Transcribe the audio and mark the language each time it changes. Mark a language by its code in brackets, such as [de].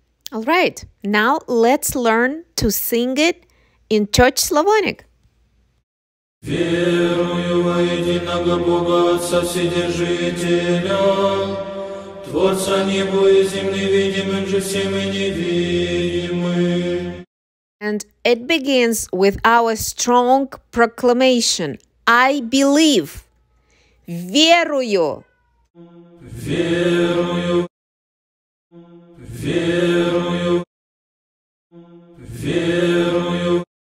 [en] All right, now let's learn to sing it in Church Slavonic. [ru] Верую во единого Бога Отца Вседержителя, Творца неба и земли, видимым же всем и невидимым. [en] And it begins with our strong proclamation. I believe. [ru] Верую. Верую. Верую. Верую.